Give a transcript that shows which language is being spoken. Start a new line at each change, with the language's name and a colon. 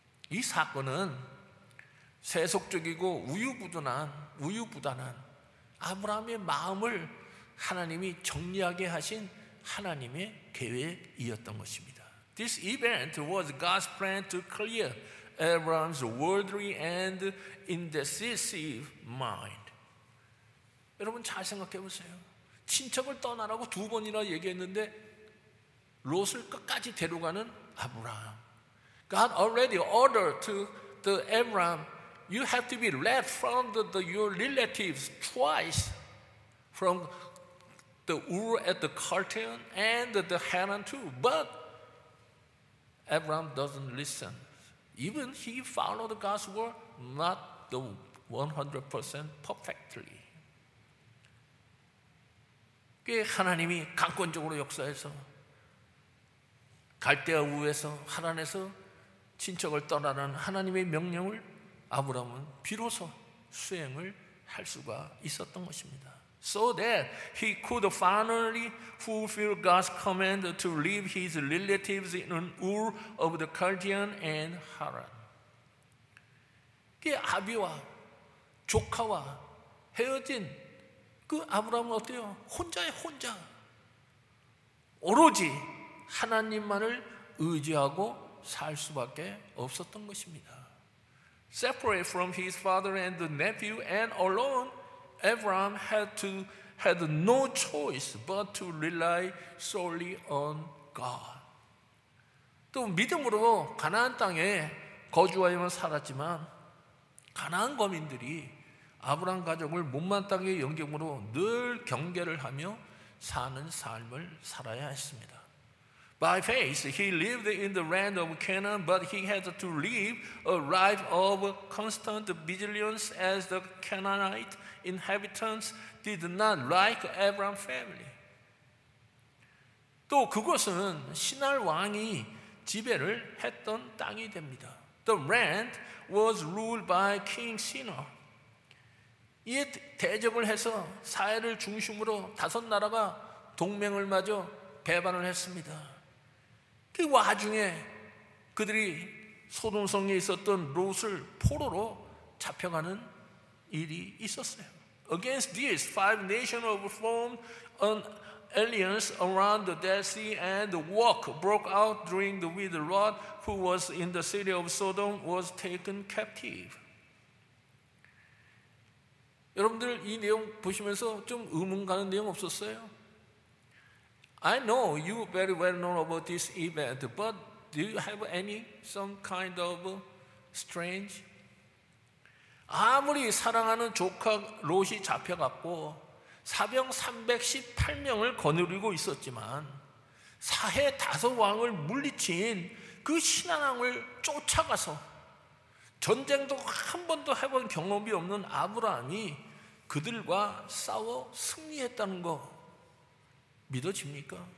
Korean: 이 사건은 세속적이고 우유부단한 아브라함의 마음을 하나님이 정리하게 하신 하나님의 계획이었던 것입니다.
English: This event was God's plan to clear Abraham's worldly and indecisive mind.
Korean: 여러분 잘 생각해 보세요. 친척을 떠나라고 두 번이나 얘기했는데 롯을 끝까지 데려가는 아브라함.
English: God already ordered to the Abraham, you have to be left from your relatives twice, from the Ur at the Chaldean and the Haran too. But Abraham doesn't listen. Even he followed God's word, not the 100% perfectly.
Korean: 하나님이 강권적으로 역사해서 갈대아 우에서 하란에서 친척을 떠나라는 하나님의 명령을 아브라함은 비로소 수행을 할 수가 있었던 것입니다.
English: So that he could finally fulfill God's command to leave his relatives in Ur of the Chaldean and Haran.
Korean: 그 아비와 조카와 헤어진 그 아브라함은 어때요? 혼자에 혼자. 오로지 하나님만을 의지하고 살 수밖에 없었던 것입니다.
English: Separate from his father and the nephew and alone, Abraham had no choice but to rely solely on God.
Korean: 또 믿음으로 가나안 땅에 거주하여만 살았지만 가나안 거민들이 아브라함 가족을 못만 땅의 영경으로 늘 경계를 하며 사는 삶을 살아야 했습니다.
English: By faith, he lived in the land of Canaan, but he had to live a life of constant vigilance as the Canaanite inhabitants did not like Abraham's family.
Korean: 또 그곳은 시날 왕이 지배를 했던 땅이 됩니다.
English: The land was ruled by King Shinar.
Korean: 이에 대적을 해서 사해를 중심으로 다섯 나라가 동맹을 맞아 배반을 했습니다. 그 와중에 그들이 소돔성에 있었던 롯을 포로로 잡혀가는 일이 있었어요.
English: Against this, five nations formed an alliance around the Dead Sea, and the war broke out during the winter. Lot, who was in the city of Sodom, was taken captive.
Korean: 여러분들 이 내용 보시면서 좀 의문 가는 내용 없었어요?
English: I know you very well know about this event, but do you have any some kind of strange?
Korean: 아무리 사랑하는 조카 롯이 잡혀갔고 사병 318명을 거느리고 있었지만 사해 다섯 왕을 물리친 그 신앙왕을 쫓아가서 전쟁도 한 번도 해본 경험이 없는 아브라함이 그들과 싸워 승리했다는 거 믿어집니까?